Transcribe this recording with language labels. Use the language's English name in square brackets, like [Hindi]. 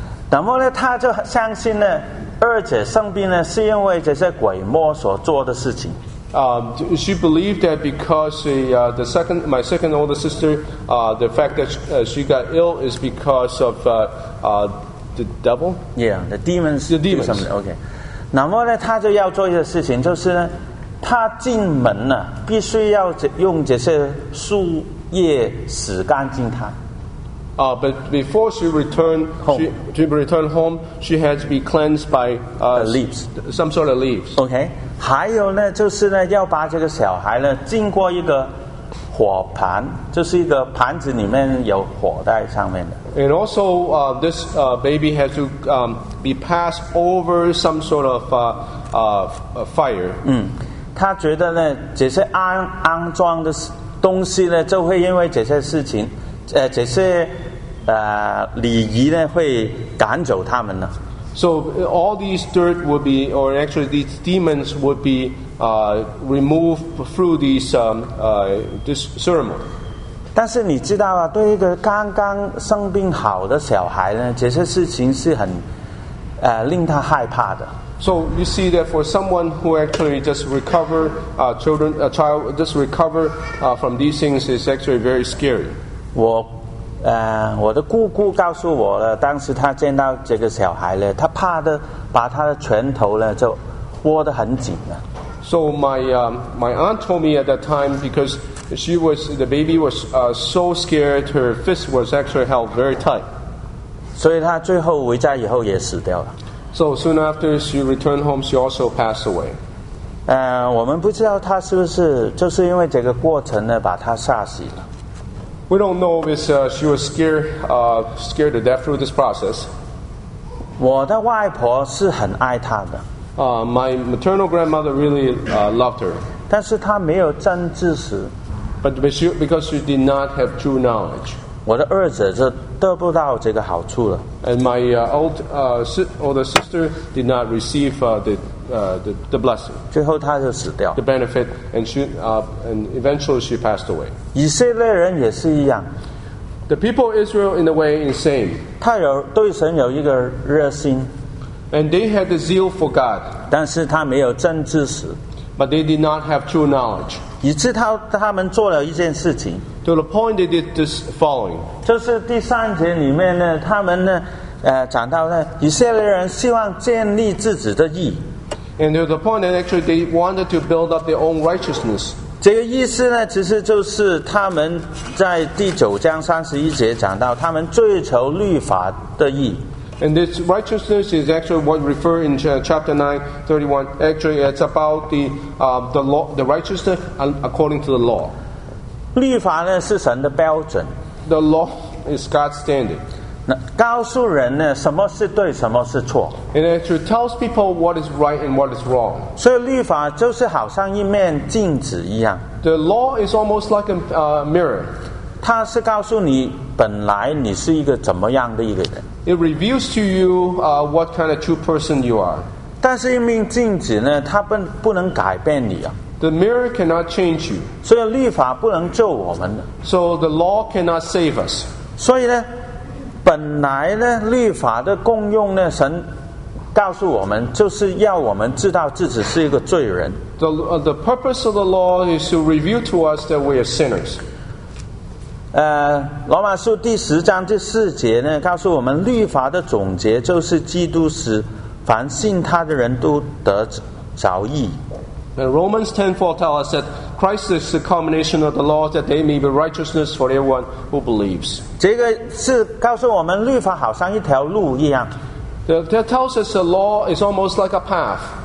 [Chinese] 那么呢，她就相信呢，二姐生病呢是因为这些鬼魔所做的事情。 [English] She believed that because my second older sister, the fact that she got ill is because of the devil. Yeah, the demons. The demons. Okay. [Chinese] 那么呢他就要做一个事情就是呢他进门呢必须要用这些树叶洗干净他。 [English] But before she returned home. She returned home, she had to be cleansed by leaves. Some sort of leaves. Okay. [Chinese] 还有呢就是呢要把这个小孩呢浸过一个火盘就是一个盘子里面有火在上面的。 [English] And also, this baby has to be passed over some sort of fire. [Chinese] 他觉得呢，这些肮脏的东西呢，就会因为这些事情，这些礼仪呢，会赶走他们呢。 [English] So all these dirt would be, or actually these demons would be removed through this this ceremony. [Chinese] 但是你知道啊，对一个刚刚生病好的小孩呢，这些事情是很令他害怕的。 [English] So you see that for someone who actually just recover, a child just recover from these things is actually very scary. [Chinese] 我的姑姑告诉我了，当时她见到这个小孩了，她怕的把她的拳头呢就握得很紧了。 [English] So my aunt told me at that time because the baby was so scared, her fist was actually held very tight. [Chinese] 所以她最后回家以后也死掉了。 [English] So soon after she returned home, she also passed away. [Chinese] 我们不知道她是不是就是因为这个过程呢把她吓死了。 [English] We don't know if it's, she was scared to death through this process. [Chinese] 我的外婆是很爱她的。 [English] My maternal grandmother really loved her. [Chinese] 但是她没有真知识。 [English] But because she did not have true knowledge. [Chinese] 我的儿子就得不到这个好处了。 [English] And my older sister did not receive the blessing. [Chinese] 最后他就死掉。 [English] The benefit and eventually she passed away. [Chinese] 以色列人也是一样。 [English] The people of Israel in a way is same. [Chinese] 他有对神有一个热心。 [English] And they had the zeal for God. [Chinese] 但是他没有真知识。 [English] But they did not have true knowledge. [Chinese] 以致他们做了一件事情。 [English] To the point they did this following. [Chinese] 就是第三节里面呢，他们呢，讲到呢，以色列人希望建立自己的义。 [English] And to the point that actually they wanted to build up their own righteousness. [Chinese] 这个意思呢，其实就是他们在第九章三十一节讲到，他们追求律法的义。 [English] And this righteousness is actually what referred in chapter 9, 31. Actually, it's about the law, the righteousness according to the law. [Chinese] 律法呢是神的标准。 [English] The law is God's standard. [Chinese] 那告诉人呢什么是对，什么是错。 [English] It actually tells people what is right and what is wrong. [Chinese] 所以律法就是好像一面镜子一样。 [English] The law is almost like a mirror. [Chinese] 它是告诉你本来你是一个怎么样的一个人。 [English] It reveals to you what kind of true person you are. [Chinese] 但是一面镜子呢，它不能改变你啊。 [English] The mirror cannot change you. [Chinese] 所以律法不能救我们。 [English] So the law cannot save us. [Chinese] 所以呢，本来呢，律法的功用呢，神告诉我们，就是要我们知道自己是一个罪人。 [English] The purpose of the law is to reveal to us that we are sinners. [Chinese] 罗马书第十章第四节呢，告诉我们律法的总结就是基督使凡信他的人都得着义。 [English] Romans 10:4 tells us that Christ is the culmination of the law that they may be righteousness for everyone who believes. [Chinese] 这个是告诉我们律法好像一条路一样。 [English] That tells us the law is almost like a path.